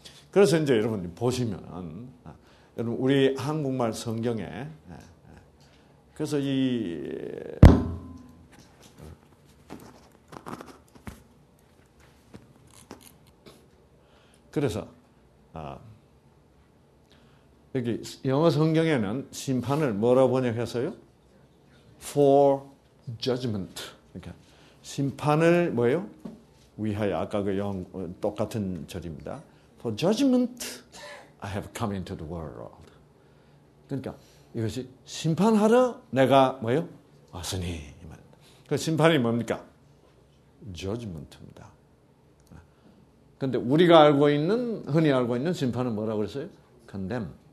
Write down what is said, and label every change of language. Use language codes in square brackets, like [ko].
[ko] 그래서 이제 여러분 보시면은 여러분 우리 한국말 성경에 그래서 이 그래서 여기 영어 성경에는 심판을 뭐라고 번역했어요? [en] For judgment. [ko] 그러니까 심판을 뭐예요? 위하여 아까 그 영 똑같은 절입니다. [en] For judgment, I have come into the world. [ko] 그러니까 이것이 심판하러 내가 뭐요? 왔으니. 그 심판이 뭡니까? Judgment입니다. 그런데 우리가 알고 있는, 흔히 알고 있는 심판은 뭐라고 그랬어요? [en] Condemn.